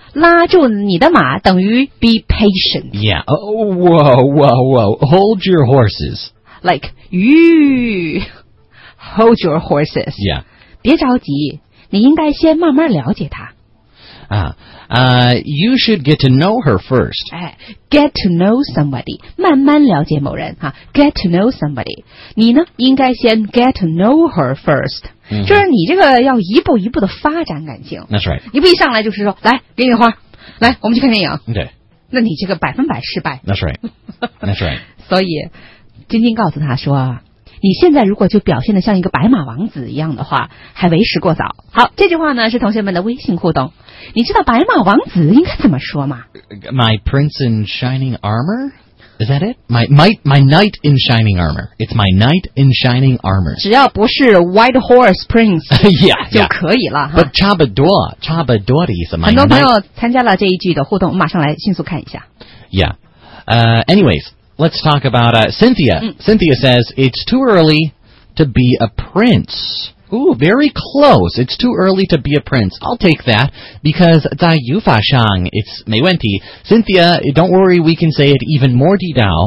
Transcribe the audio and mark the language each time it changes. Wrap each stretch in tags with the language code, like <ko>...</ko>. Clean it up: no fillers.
<zh>拉住你的马等于</zh> <en>be patient. Yeah. Hold your horses. Like, you hold your horses. Yeah.</en> <zh>别着急，你应该先慢慢了解她。</zh> <en>You should get to know her first. Get to know somebody,</en> <zh>慢慢了解某人、</zh> <en>get to know somebody.</en> <zh>你呢应该先</zh> <en>get to know her first.、嗯、</en> <zh>就是你这个要一步一步的发展感情。</zh> <en>That's right.</en> <zh>你不一上来就是说来给你花，来我们去看电影。对。那你这个百分百失败。</zh> <en>That's right. That's right.</en> <zh>所以金金告诉他说，你现在如果就表现得像一个白马王子一样的话，还为时过早。好，这句话呢是同学们的微信互动。你知道白马王子应该怎么说吗</zh> <en>？My prince in shining armor, is that it? My knight in shining armor. It's my knight in shining armor.</en> <zh>只要不是</zh> <en>white horse prince, yeah,</en> <zh>就可以了。</zh> <en>Yeah. But</en> <zh>差不多，差不多的意思。很多朋友参加了这一句的互动，我马上来迅速看一下。</zh> <en>Yeah. Anyways. Let's talk about Cynthia.、嗯、 Cynthia says, it's too early to be a prince. Ooh, very close. It's too early to be a prince. I'll take that, because</en> <zh>在语法上</zh> <en>it's</en> <zh>没问题。</zh> <en>Cynthia, don't worry, we can say it even more 地道。</en>